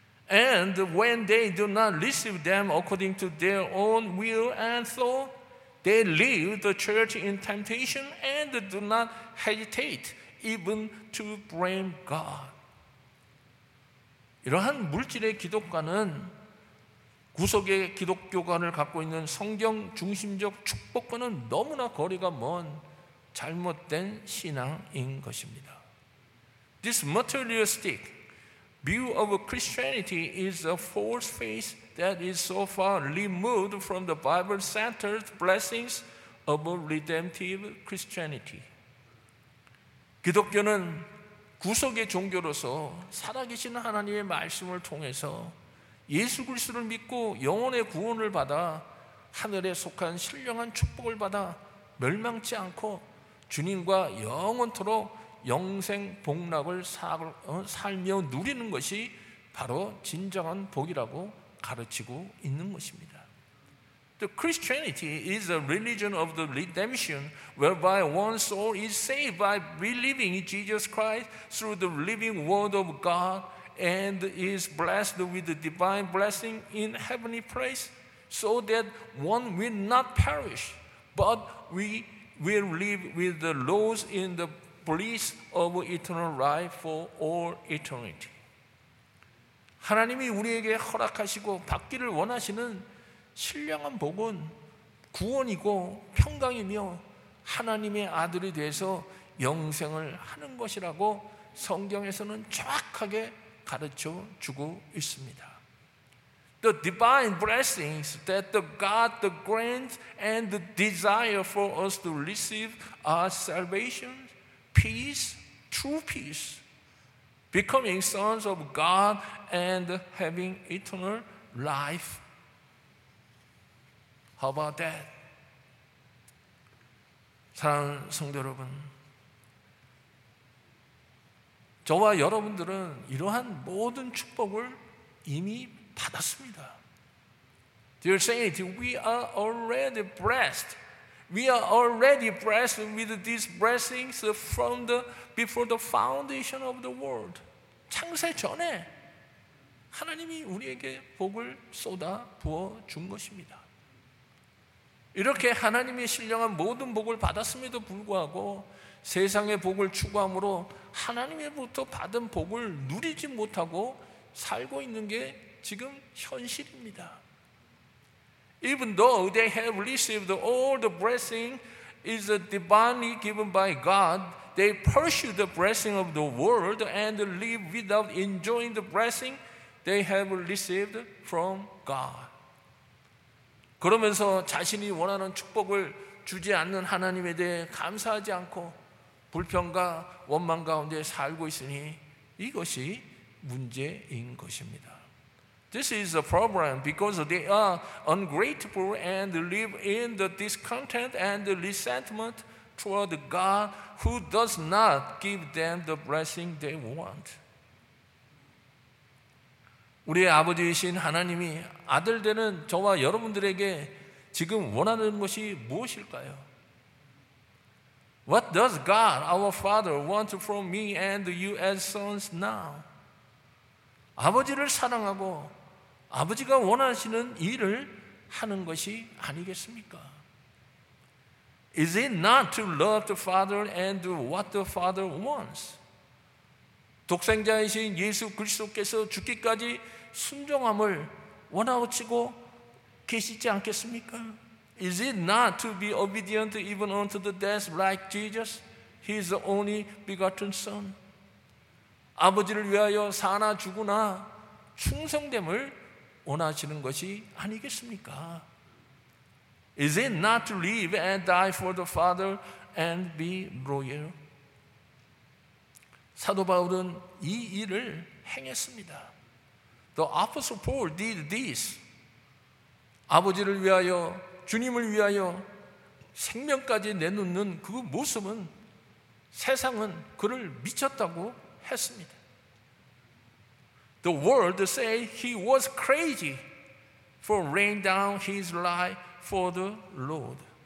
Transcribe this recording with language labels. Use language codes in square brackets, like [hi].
[en] And when they do not receive them according to their own will and thought, they leave the church in temptation and do not hesitate even to blame God. [ko] 이러한 물질의 기독관은 구석의 기독교관을 갖고 있는 성경 중심적 축복과는 너무나 거리가 먼 잘못된 신앙인 것입니다. [en] This materialistic view of Christianity is a false faith that is so far removed from the Bible-centered blessings of a redemptive Christianity. [ko] 기독교는 구속의 종교로서 살아계신 하나님의 말씀을 통해서 예수 그리스도를 믿고 영혼의 구원을 받아 하늘에 속한 신령한 축복을 받아 멸망치 않고 주님과 영원토록 영생 복락을 살며 누리는 것이 바로 진정한 복이라고 가르치고 있는 것입니다. [en] The Christianity is a religion of the redemption whereby one soul is saved by believing in Jesus Christ through the living word of God and is blessed with the divine blessing in heavenly place so that one will not perish but we will live with the Lord in the bliss of eternal life for all eternity. [ko] 하나님이 우리에게 허락하시고 받기를 원하시는 신령한 복은 구원이고 평강이며 하나님의 아들이 돼서 영생을 하는 것이라고 성경에서는 정확하게 가르쳐 주고 있습니다. [en] The divine blessings that the God the grant and the desire for us to receive are salvation, peace, true peace, becoming sons of God and having eternal life. How about that? [ko] 사랑하는 성도 여러분, 저와 여러분들은 이러한 모든 축복을 이미 받았습니다. [en] Dear Saint, we are already blessed. We are already blessed with these blessings from the before the foundation of the world. [ko] 창세 전에 하나님이 우리에게 복을 쏟아 부어 준 것입니다. 이렇게 하나님의 신령한 모든 복을 받았음에도 불구하고 세상의 복을 추구함으로 하나님으로부터 받은 복을 누리지 못하고 살고 있는 게 지금 현실입니다. [en] Even though they have received all the blessing is divinely given by God, they pursue the blessing of the world and live without enjoying the blessing they have received from God. [ko] 그러면서 자신이 원하는 축복을 주지 않는 하나님에 대해 감사하지 않고 불평과 원망 가운데 살고 있으니 이것이 문제인 것입니다. [en] This is a problem because they are ungrateful and live in the discontent and resentment toward God who does not give them the blessing they want. [ko] 우리 아버지이신 하나님이 아들 되는 저와 여러분들에게 지금 원하는 것이 무엇일까요? [en] What does God, our Father, want from me and you as sons now? [ko] 아버지를 사랑하고 아버지가 원하시는 일을 하는 것이 아니겠습니까? [en] Is it not to love the Father and do what the Father wants? [ko] 독생자이신 예수 그리스도께서 죽기까지 순종함을 원하시고 계시지 않겠습니까? [en] Is it not to be obedient even unto the death like Jesus, his only begotten son? [ko] 아버지를 위하여 사나 죽으나 충성됨을 원하시는 것이 아니겠습니까? [en] Is it not to live and die for the Father and be loyal? [ko] 사도 바울은 이 일을 행했습니다. [en] The Apostle Paul did this. [ko] 아버지를 위하여 주님을 위하여 생명까지 내놓는 그 모습은 세상은 그를 미쳤다고 했습니다. [en] The world say he was crazy for laying down his life for the Lord.